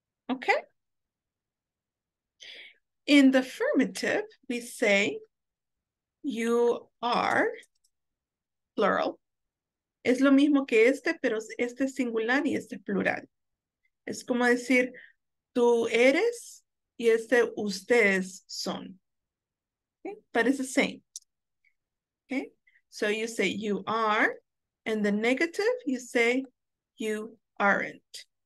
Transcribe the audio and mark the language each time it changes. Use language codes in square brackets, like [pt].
[en] Okay. In the affirmative, we say you are plural. [es] Es lo mismo que este, pero este es singular y este es plural. Es como decir tú eres y este ustedes son. [en] Okay? But it's the same. Okay? So you say you are, and the negative, you say you aren't.